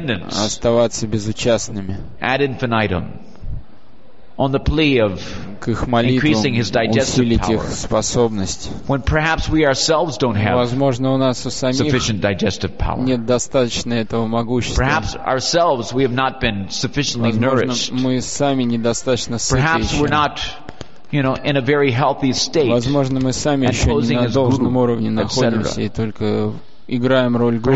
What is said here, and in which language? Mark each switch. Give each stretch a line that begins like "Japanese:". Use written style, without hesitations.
Russian: оставаться безучастными.
English: Ad infinitum. On the plea of increasing his digestive power, when perhaps we ourselves don't have sufficient digestive power,
Russian: нет достаточно этого могущества.
English: Perhaps ourselves we have not been sufficiently nourished.
Russian: Мы сами недостаточно сыты.
English: Perhaps we're not, you know, in a very healthy state.
Russian: Возможно, мы сами еще не на должном уровне находимся и только играем роль гуру.